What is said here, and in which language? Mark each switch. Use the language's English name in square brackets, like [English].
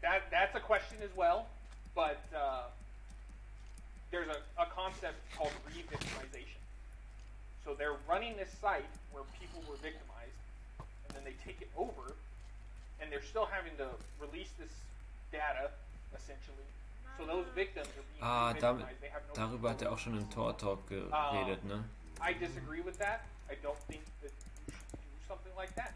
[English] That's a question as well, but there's a concept called re-victimization. So they're running this site where people were victimized, and then they take it over, and they're still having to release this data, essentially. So those victims are being victimized. They have no [German] darüber hat auch schon im Tor-Talk geredet, ne? [English] I disagree with that. I don't think that you should do something like that.